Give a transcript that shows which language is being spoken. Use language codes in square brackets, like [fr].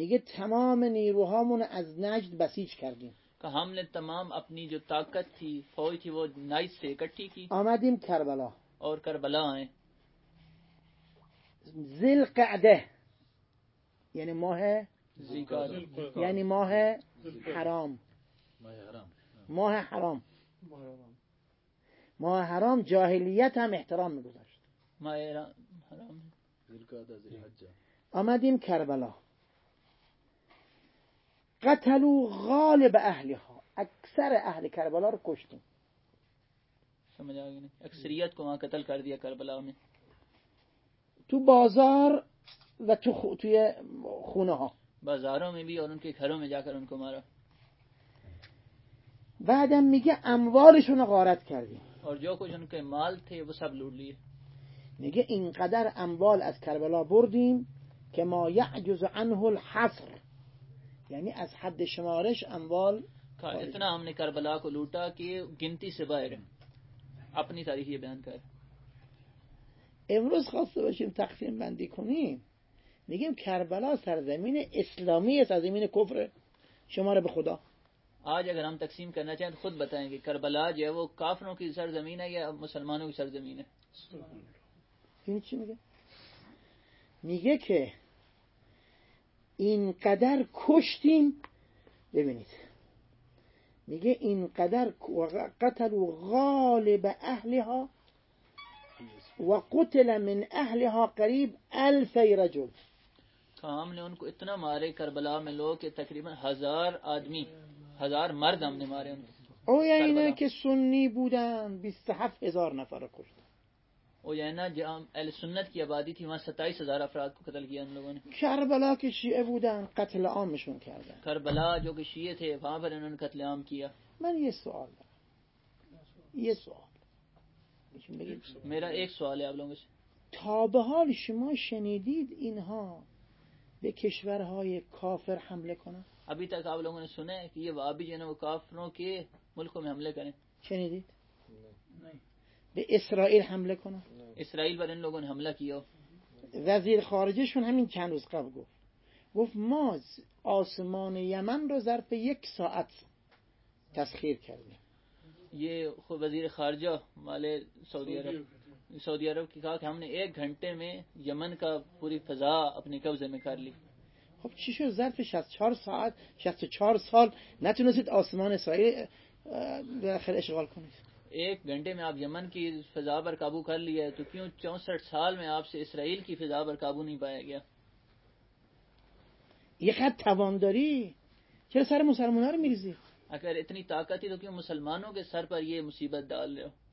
[fa] میگه تمام نیروهامون از نجد بسیج کردیم، [ur] کہ ہم نے تمام اپنی جو طاقت تھی فوج تھی وہ نجد سے اکٹھی کی، [fa] آمدیم کربلا، [ur] اور کربلا آئیں، ذی القعدہ یعنی ماہ ذیقعدہ یعنی ماہ حرام، ماہ حرام، [fa] ماہ حرام، ماہ حرام جاہلیت هم احترام میگذاشت، ماہ حرام ذی القعدہ ذی الحجہ، آمدیم کربلا، [ar] قتلوا غالب اهلها، [fa] اکثر اهل کربلا رو کشتیم، [ur] سمجھا گئے نہیں، اکثریت کو وہاں قتل کر دیا کربلا میں، [fa] تو بازار و تو توی خونه ها، [ur] بازاروں میں بھی اور ان کے گھروں میں جا کر ان کو مارا، [fa] بعدم میگه اموالشون رو غارت کردیم، [ur] اور جو کچھ ان کے مال تھے وہ سب لوٹ لیے، [fa] میگه اینقدر اموال از کربلا بردیم که [ar] ما یعجز عنه الحصر، [fa] یعنی از حد شمارش اموال [ur] کا اتنا ہم نے کربلا کو لوٹا کہ گنتی سے باہر ہے، اپنی تاریخ یہ بیان کر، [fa] امروز خواسته باشیم تقسیم بندی کنیم، میگیم کربلا سرزمین اسلامی است، سرزمین کفر، شماره به خدا، [ur] آج اگر ہم تقسیم کرنا چاہیں تو خود بتائیں کہ کربلا جو ہے وہ کافروں کی سرزمین ہے یا مسلمانوں کی سرزمین ہے، [fa] این چی میگه، میگه که اینقدر کشتیم، ببینید میگه اینقدر [ar] قتل و غالب اهلها و قتل من اهلها قریب 1,000 رجل، [ur] ہم نے ان کو اتنا مارے کربلا میں لوگ کہ تقریبا 1,000 مرد ہم نے مارے ان کو، [fa] او یا اینا که سنی بودن 27,000 نفر رو کشت، [ur] او یا اینا جہاں اہل سنت کی آبادی تھی وہاں 27,000 افراد کو قتل کیا ان لوگوں نے، [fa] کربلا کے شیعہ بودن قتل عامشون کردن، [ur] کربلا جو کہ شیعہ تھے وہاں پر انہوں نے قتل عام کیا، [fa] من یہ سوال دارم، یہ سوال [ur] میرا ایک سوال ہے آپ لوگوں سے، [fa] تا به حال شما شنیدید اینها به کشورهای کافر حملے کنا، [ur] ابھی تک آپ لوگوں نے سنا ہے کہ یہ وہابی جو ہے وہ کافروں کے ملکوں میں حملے کریں، [fa] شنیدید؟ به اسرائیل حملے کنا، [ur] اسرائیل پر ان لوگوں نے حملہ کیا، [fa] وزیر خارجشون همین چند روز قبل گفت ما آسمان یمن رو ظرف 1 ساعت تسخیر کردیم، [ur] یہ خود وزیر خارجہ مالے سعودی عرب کی کہا کہ ہم نے 1 گھنٹے میں یمن کا پوری فضا اپنے قبضے میں کر لی، [fa] خب چی شد ظرف 64 سال نتونستید آسمان اسرائیل بالاخره اشغال کنید، [ur] 1 گھنٹے میں آپ یمن کی فضا پر قابو کر لیا ہے تو کیوں 64 سال میں آپ سے اسرائیل کی فضا پر قابو نہیں پایا گیا، [fa] یہ خط توانداری چرا سر مسلمان رو میریزی، [ur] اگر اتنی طاقت ہی تو کیوں مسلمانوں کے سر پر یہ مصیبت ڈال رہے ہو؟